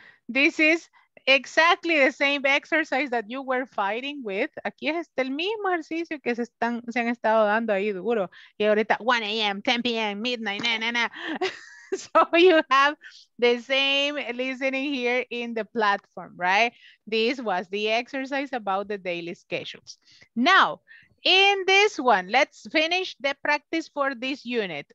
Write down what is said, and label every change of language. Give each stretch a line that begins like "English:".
English: This is exactly the same exercise that you were fighting with.
Spanish: Aquí es el mismo ejercicio que se han estado dando ahí duro. Y ahorita
English: 1 a.m., 10 p.m., midnight, So you have the same listening here in the platform, right? This was the exercise about the daily schedules. Now, in this one, let's finish the practice for this unit.